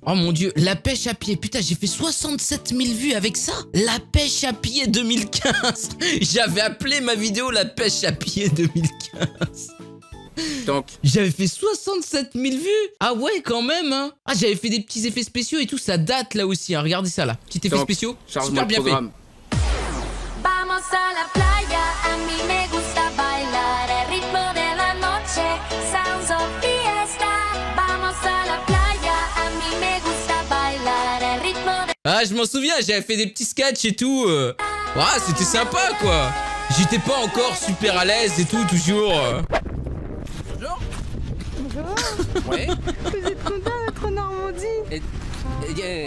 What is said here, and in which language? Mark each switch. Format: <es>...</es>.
<fr>Oh mon dieu, la pêche à pied. Putain, j'ai fait 67 000 vues avec ça. La pêche à pied 2015. J'avais appelé ma vidéo la pêche à pied 2015. tank. J'avais fait 67 000 vues. Ah ouais, quand même, hein. Ah, j'avais fait des petits effets spéciaux et tout, ça date là aussi, hein. Regardez ça là, petit effet spéciaux. Super bien fait.</fr> <es>Vamos a la playa, a mi me gusta bailar, el ritmo de la noche,</es> <en>sounds of fiesta.</en> <es>Vamos a la playa, a mi me gusta bailar, el ritmo de...</es> <fr>Ah, je m'en souviens, j'avais fait des petits sketchs et tout. Ah, c'était sympa, quoi. J'étais pas encore super à l'aise et tout, toujours. Bonjour. Bonjour. Ouais. Vous êtes trop bien d'être en Normandie.</fr>